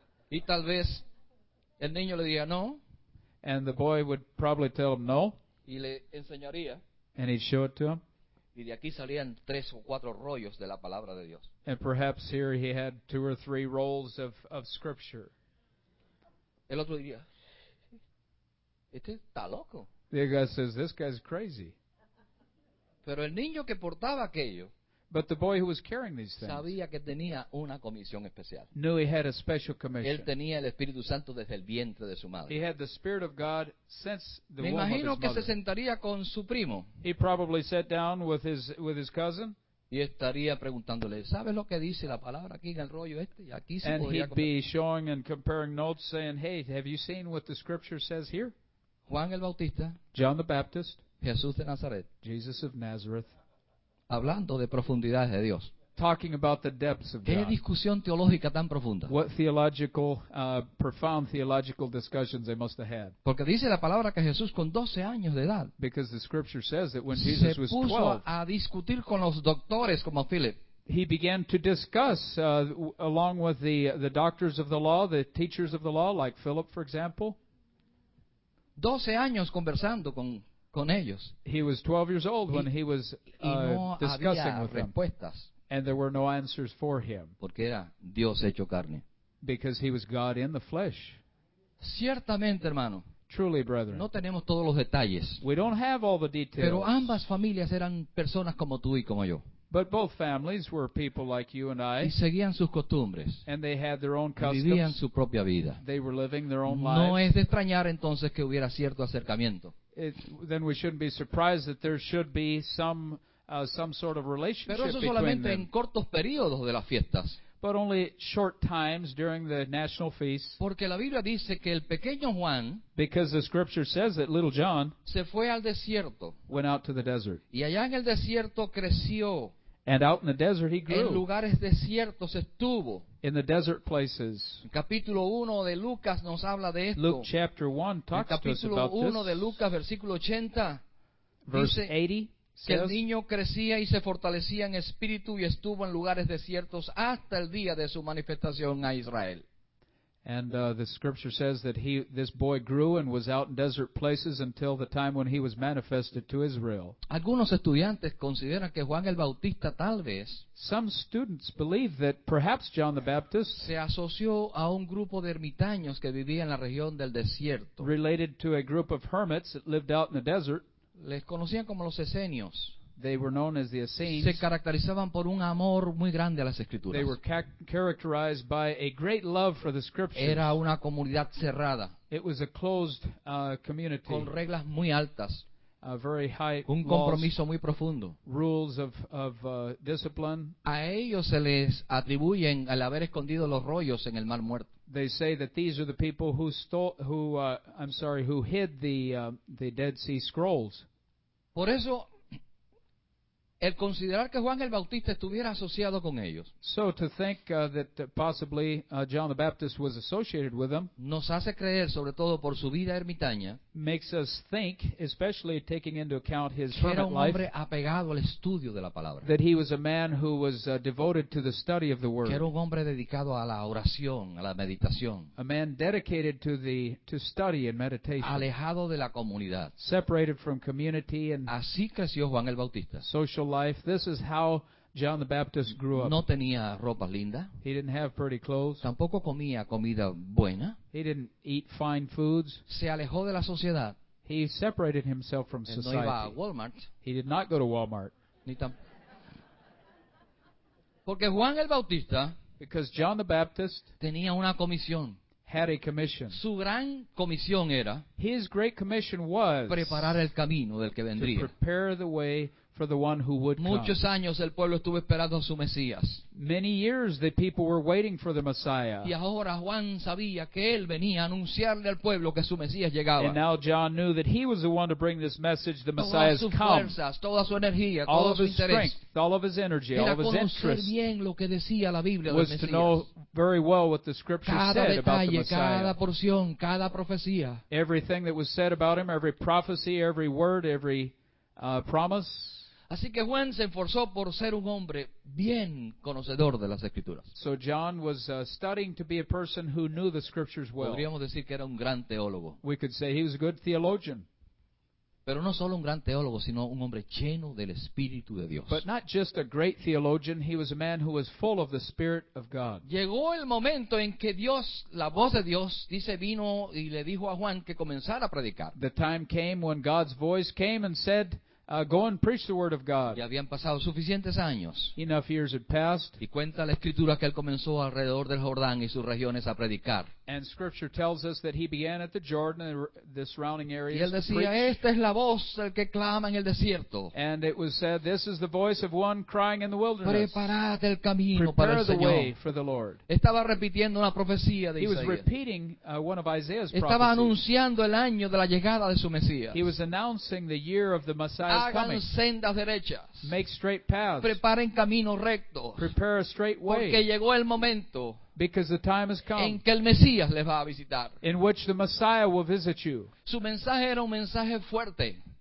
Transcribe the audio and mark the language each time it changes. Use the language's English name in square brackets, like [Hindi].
[Spanish] Y tal vez el niño le diría, no. [English] And the boy would probably tell him no. [Spanish] Y le enseñaría. [English] And he'd show it to him. [Spanish] Y de aquí salían tres o cuatro rollos de la palabra de Dios. [English] And perhaps here he had two or three rolls of scripture. [Spanish] El otro diría, este está loco. [English] The guy says, this guy's crazy. [Spanish] Pero el niño que portaba aquello. [English] But the boy who was carrying these things [Spanish] sabía que tenía una comisión especial. [English] Knew he had a special commission. [Spanish] Él tenía el Espíritu Santo desde el vientre de su madre. [English] He had the Spirit of God since the womb of his mother. [Spanish] Me imagino que se sentaría con su primo. [English] He probably sat down with his cousin. [Spanish] Y estaría preguntándole, ¿sabes lo que dice la palabra aquí en el rollo este? Y aquí se [English] and he'd be showing and comparing notes saying, hey, have you seen what the scripture says here? [Spanish] Juan el Bautista. [English] John the Baptist. [Spanish] Jesús de Nazaret. [English] Jesus of Nazareth. [Spanish] Hablando de profundidades de Dios. [English] Talking about the depths of [Spanish] ¿qué [English] God. [Spanish] ¿Qué discusión teológica tan profunda? [English] What theological, profound theological discussions they must have had. [Spanish] Porque dice la palabra que Jesús con 12 años de edad. [English] Because the scripture says that when Jesus was 12. [Spanish] Se puso a discutir con los doctores como Philip. [English] He began to discuss along with the doctors of the law, the teachers of the law, like Philip, for example. [Spanish] 12 años conversando con ellos. [English] He was 12 years old when he was [Spanish] no [English] discussing with [Spanish] respuestas. [English] Them. And there were no answers for him. [Spanish] Porque era Dios hecho carne. [English] Because he was God in the flesh. [Spanish] Ciertamente, hermano. [English] Truly, brethren. [Spanish] No tenemos todos los detalles. [English] We don't have all the details. [Spanish] Pero ambas familias eran personas como tú y como yo. [English] But both families were people like you and I. [Spanish] Y seguían sus costumbres. [English] And they had their own customs. [Spanish] Vivían su propia vida. [English] They were living their own [Spanish] no [English] lives. [Spanish] Es de extrañar entonces que hubiera cierto acercamiento. [English] Then we shouldn't be surprised that there should be some sort of relationship [Spanish] pero eso solamente [English] between them. [Spanish] En cortos periodos de las fiestas. [English] but only short times during the national feast. [Spanish] Porque la Biblia dice que el pequeño Juan, [English] because the scripture says that little John, [Spanish] se fue al desierto, [English] went out to the desert. [Spanish] Y allá en el desierto creció. [English] And out in the desert he grew. [Spanish] En lugares desiertos estuvo. [English] In the desert places. [Spanish] Capítulo 1 de Lucas nos habla de esto. [English] Luke chapter 1 talks to us about this. [Spanish] Capítulo 1 de Lucas, versículo 80. [English] Verse 80. [Spanish] Que el niño crecía y se fortalecía en espíritu y estuvo en lugares desiertos hasta el día de su manifestación a Israel. [English] And the scripture says that this boy grew and was out in desert places until the time when he was manifested to Israel. [Spanish] Algunos estudiantes consideran que Juan el Bautista tal vez, [English] some students believe that perhaps John the Baptist, [Spanish] se asoció a un grupo de ermitaños que vivía en la región del desierto, [English] related to a group of hermits that lived out in the desert. [Spanish] Les conocían como los esenios. [English] They were known as the Essenes. [Spanish] Se caracterizaban por un amor muy grande a las Escrituras. [English] They were characterized by a great love for the Scriptures. [Spanish] Era una comunidad cerrada. [English] It was a closed community. [Spanish] Con reglas muy altas. [English] A very high [Spanish] un compromiso [English] laws, [Spanish] muy profundo. [English] Rules of discipline. [Spanish] A ellos se les atribuyen al haber escondido los rollos en el Mar Muerto. [English] They say that these are the people who hid the Dead Sea Scrolls. [Spanish] Por eso, el considerar que Juan el Bautista estuviera asociado con ellos, [English] so to think that possibly John the Baptist was associated with them, [Spanish] nos hace creer, sobre todo por su vida ermitaña, [English] makes us think, especially taking into account his hermit [Spanish] que era un hombre apegado al estudio de la palabra, [English] that he was a man who was devoted to the study of the word, [Spanish] que era un hombre dedicado a la oración, a la meditación, [English] a man dedicated to study and meditation, [Spanish] alejado de la comunidad, [English] separated from community, and [Spanish] así creció Juan el Bautista. [English] Life. This is how John the Baptist grew up. [Spanish] No tenía ropa linda. [English] He didn't have pretty clothes. [Spanish] Tampoco comía comida buena. [English] He didn't eat fine foods. [Spanish] Se alejó de la sociedad. [English] He separated himself from society. [Spanish] No iba a Walmart. [English] He did not go to Walmart. [Spanish] Porque Juan el Bautista, [English] because John the Baptist, [Spanish] tenía una comisión. [English] Had a commission. [Spanish] Su gran comisión era, [English] his great commission was, [Spanish] preparar el camino del que vendría. [English] To prepare the way for the one who would [Spanish] muchos [English] come. [Spanish] Años el pueblo estuvo esperando a su Mesías. [English] Many years the people were waiting for the Messiah. [Spanish] Y ahora Juan sabía que él venía a anunciarle al pueblo que su Mesías llegaba. [English] And now John knew that he was the one to bring this message, the Messiah has come. [Spanish] Todas sus fuerzas, toda su energía, [English] all [Spanish] todo [English] of his [Spanish] su interés. [English] Strength, all of his energy, [Spanish] era [English] all of his interest. [Spanish] Bien lo que decía la Biblia [English] was to know very well what the scripture [Spanish] cada [English] said [Spanish] detalle, [English] about the Messiah. [Spanish] Cada porción, cada profecía. [English] Everything that was said about him, every prophecy, every word, every promise. [Spanish] Así que Juan se esforzó por ser un hombre bien conocedor de las Escrituras. [English] So John was studying to be a person who knew the Scriptures well. [Spanish] Podríamos decir que era un gran teólogo. [English] We could say he was a good theologian. [Spanish] Pero no solo un gran teólogo, sino un hombre lleno del Espíritu de Dios. [English] But not just a great theologian, he was a man who was full of the Spirit of God. [Spanish] Llegó el momento en que Dios, la voz de Dios, dice, vino y le dijo a Juan que comenzara a predicar. [English] The time came when God's voice came and said, go and preach the word of God. [Spanish] Ya habían pasado suficientes años. [English] Enough years had passed. [Spanish] Y cuenta la escritura que él comenzó alrededor del Jordán y sus regiones a predicar. [English] And scripture tells us that he began at the Jordan and the surrounding areas. [Spanish] Y él decía, esta es la voz del que clama en el desierto. [English] And it was said, this is the voice of one crying in the wilderness. [Spanish] Preparad el camino [English] prepare [Spanish] para el [English] the [Spanish] Señor. [English] Way for the Lord. [Spanish] Estaba repitiendo una profecía de [English] he [Spanish] Isaías. [English] Was repeating one of Isaiah's [Spanish] estaba [English] prophecies. [Spanish] Estaba anunciando el año de la llegada de su Mesías. [English] He was announcing the year of the Messiah. [Spanish] Hagan sendas derechas. [English] Make straight paths. [Spanish] Preparen caminos rectos. [English] Prepare a straight way. [Spanish] Porque llegó el momento. [English] Because the time has come. [Spanish] En que el Mesías les va a visitar. [English] In which the Messiah will visit you. [Spanish] Su mensaje era un mensaje fuerte.